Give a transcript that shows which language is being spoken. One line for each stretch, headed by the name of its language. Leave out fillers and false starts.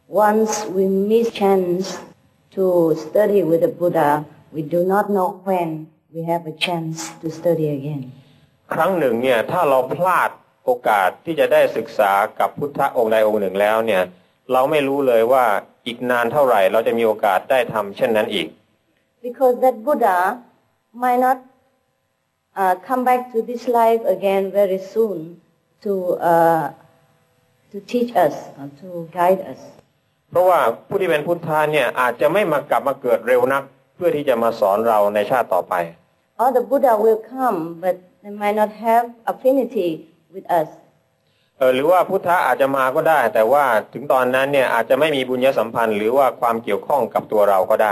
English: Once we miss chance to study with the Buddha, we do not know when we have a chance to study again.
Thai: ครั้งหนึ่งเนี่ยถ้าเราพลาดโอกาสที่จะได้ศึกษากับพุทธะองค์ใดองค์หนึ่งแล้วเนี่ยเราไม่รู้เลยว่าอีกนานเท่าไหร่เราจะมีโอกาสได้ทำเช่นนั้นอีก
English: Because that Buddha might not come back to this life again very soon to teach us or to guide us.
Thai: เพราะว่าผู้ที่เป็นพุทธาเนี่ยอาจจะไม่มากลับมาเกิดเร็วนักเพื่อที่จะมาสอนเราในชาติต่อไป
English: All the Buddha will come but they might not have affinity with us.
Thai: หรือว่าพุทธะอาจจะมาก็ได้แต่ว่าถึงตอนนั้นเนี่ยอาจจะไม่มีบุญญสัมพันธ์หรือว่าความเกี่ยวข้องกับตัวเราก็ได